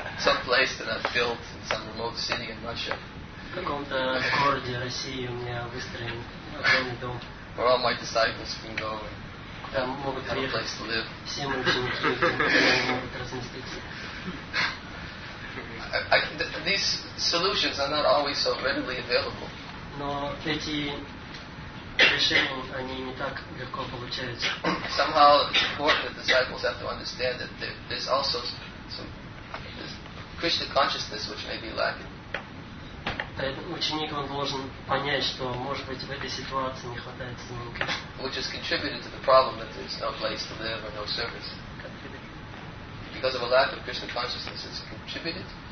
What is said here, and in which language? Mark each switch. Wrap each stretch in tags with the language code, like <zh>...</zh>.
<en>Some place that I've built in some remote city in Russia.</en> <ru>В каком-то городе России у меня выстроен огромный дом.</ru> <en>Where all my disciples can go.</en> <ru>Там могут</ru> <en>have a place to live.</en> <ru>Все мои ученики могут разместиться.</ru> <en>These solutions are not always so readily available.</en> <ru>Но эти решения, они не так легко получаются.</ru> <en>Somehow it's important that disciples have to understand that there's also some Krishna consciousness which may be lacking.</en> <ru>Ученик должен понять, что, может быть, в этой ситуации не хватает самого Кришны.</ru> <en>Which has contributed to the problem that there's no place to live or no service. Because of a lack of Krishna consciousness, it's contributed.</en>